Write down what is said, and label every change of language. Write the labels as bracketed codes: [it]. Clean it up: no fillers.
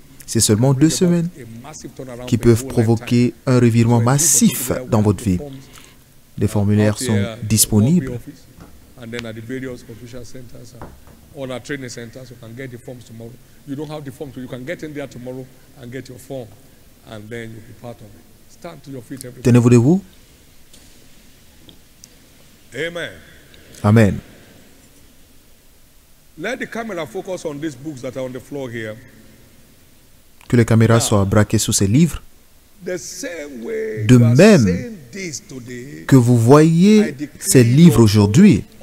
[fr] C'est seulement 2 semaines qui peuvent provoquer un revirement massif dans votre vie. Les formulaires sont disponibles. [en] And then at the various official centers and all our training centers, you can get the forms tomorrow. You don't have the forms, so you can get in there tomorrow and get your form, and then you'll be part of it. Stand to your feet, everybody. [fr] Tenez-vous debout. Amen. Amen. [en] Let the camera focus on these books that are on the floor here. [fr] Que les caméras soient braquées sur ces livres. [en] The same way. [fr] De même que vous voyez ces livres aujourd'hui,